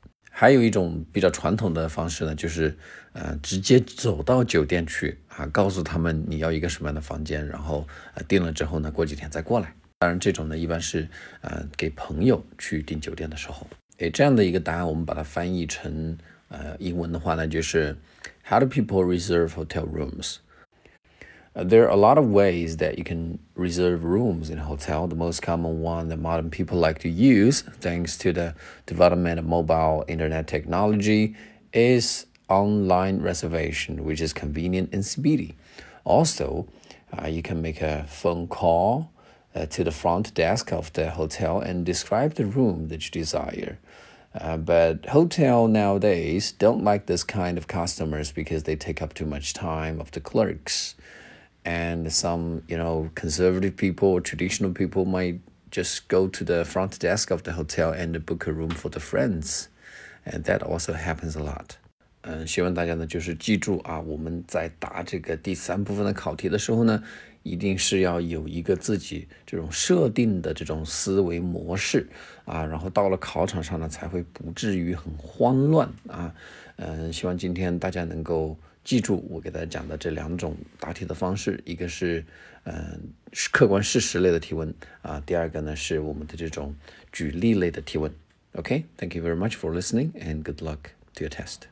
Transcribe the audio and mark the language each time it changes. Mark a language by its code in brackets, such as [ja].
[zh] 还有一种比较传统的方式呢，就是直接走到酒店去啊，告诉他们你要一个什么样的房间，然后订了之后呢过几天再过来。当然这种呢一般是给朋友去订酒店的时候。这样的一个答案我们把它翻译成英文的话呢，就是 [en] How do people reserve hotel rooms? There are a lot of ways that you can reserve rooms in a hotel. The most common one that modern people like to use, thanks to the development of mobile internet technology, is online reservation, which is convenient and speedy. Also, you can make a phone call to the front desk of the hotel and describe the room that you desire. But hotel nowadays don't like this kind of customers because they take up too much time of the clerks. And some, you know, conservative people or traditional people might just go to the front desk of the hotel and book a room for the friends. And that also happens a lot. [zh] 希望大家呢就是记住啊，我们在答这个第三部分的考题的时候呢，一定是要有一个自己这种设定的这种思维模式啊，然后到了考场上呢才会不至于很慌乱啊。希望今天大家能够记住我给大家讲的这两种答题的方式，一个是客观事实类的提问啊，第二个呢是我们的这种举例类的提问。 OK, thank you very much for listening and good luck to your test.